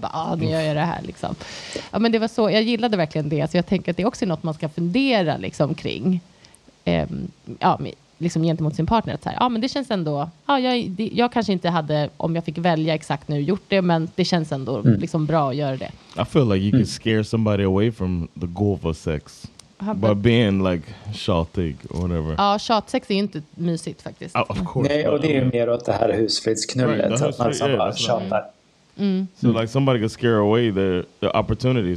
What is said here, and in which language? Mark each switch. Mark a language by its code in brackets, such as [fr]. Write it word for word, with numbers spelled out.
[sv] Ja, ah, nu gör jag det här liksom. Ja, men det var så, jag gillade verkligen det. Så jag tänker att det också är något man ska fundera liksom kring. Um, ja, men liksom gentemot sin partner, att så här, ja men det känns ändå, ja jag, det, jag kanske inte hade, om jag fick välja exakt nu, gjort det, men det känns ändå mm. liksom bra att göra det. [en] I feel like you mm. can scare somebody away from the goal of sex uh, by but, being like tjatig or whatever. [sv] Ja, tjatsex är ju inte mysigt faktiskt. [en] Oh, of course. [sv] Nej, och det är ju mer åt det här husfridsknullet, right, att man som yeah, bara tjatar. Mm. [en] So like somebody could scare away the, the opportunity.